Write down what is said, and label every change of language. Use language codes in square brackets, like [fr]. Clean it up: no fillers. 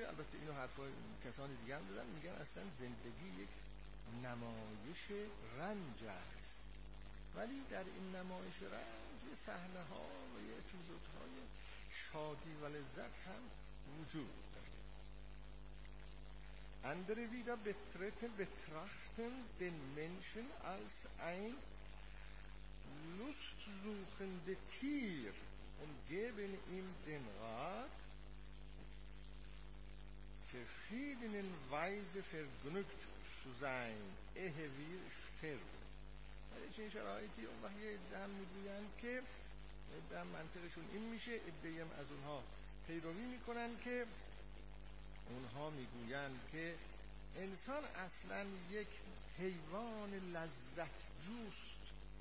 [fa] البته اینو حرفای کسان دیگه هم دادن، میگن اصلا زندگی یک نمایش رنج است، ولی در این نمایش رنج یه صحنه ها و یه اپیزودهای شادی و لذت هم وجود داره. [de] andere wieder betrachten den Menschen als ein lustsuchendes Tier und geben ihm den Rat, verschiedenen Weise vergnügt zu sein, ehe wir sterben. [fa] ولی این شرایطی اون وقتی دم میگویند که دم منطقشون این میشه ادهیم از اونها پیروی میکنن که اونها میگویند که انسان اصلا یک حیوان لذت جوست.